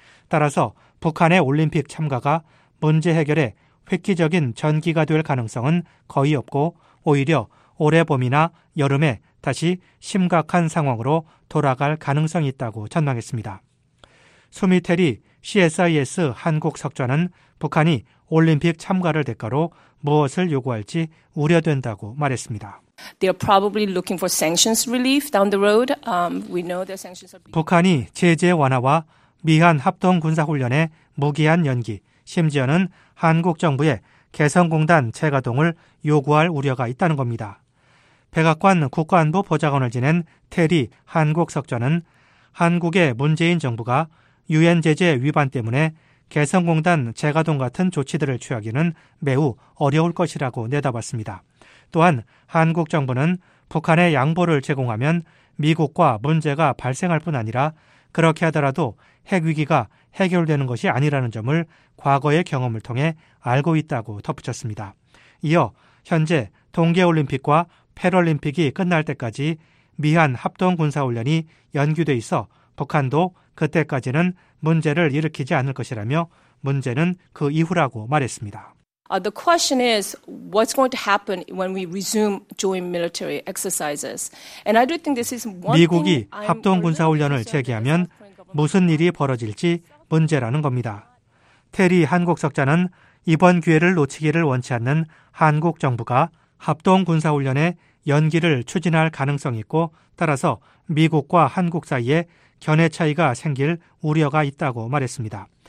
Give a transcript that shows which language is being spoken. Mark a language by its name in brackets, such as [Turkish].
[Korean] 따라서 북한의 올림픽 참가가 문제 해결에 획기적인 전기가 될 가능성은 거의 없고 오히려 올해 봄이나 여름에 다시 심각한 상황으로 돌아갈 가능성이 있다고 전망했습니다. 수미테리 CSIS 한국 석좌는 북한이 올림픽 참가를 대가로 무엇을 요구할지 우려된다고 말했습니다. [English] They are probably looking for sanctions relief down the road. We know the sanctions are [Korean] 북한이 제재 완화와 미한 합동 군사 훈련의 무기한 연기, 심지어는 한국 정부의 개성공단 재가동을 요구할 우려가 있다는 겁니다. 백악관 국가안보 보좌관을 지낸 테리 한국 석좌는 한국의 문재인 정부가 유엔 제재 위반 때문에 개성공단 재가동 같은 조치들을 취하기는 매우 어려울 것이라고 내다봤습니다. 또한 한국 정부는 북한에 양보를 제공하면 미국과 문제가 발생할 뿐 아니라 그렇게 하더라도 핵 위기가 해결되는 것이 아니라는 점을 과거의 경험을 통해 알고 있다고 덧붙였습니다. 이어 현재 동계올림픽과 패럴림픽이 끝날 때까지 미한 합동군사훈련이 연기돼 있어 북한도 그때까지는 문제를 일으키지 않을 것이라며 문제는 그 이후라고 말했습니다. [English] The question is what's going to happen when we resume joint military exercises. And I do think this is one thing. [Korean] 미국이 합동군사훈련을 재개하면 무슨 일이 벌어질지 문제라는 겁니다. 테리 한국 석좌는 이번 기회를 놓치기를 원치 않는 한국 정부가 합동군사훈련의 연기를 추진할 가능성이 있고 따라서 미국과 한국 사이에 견해 차이가 생길 우려가 있다고 말했습니다.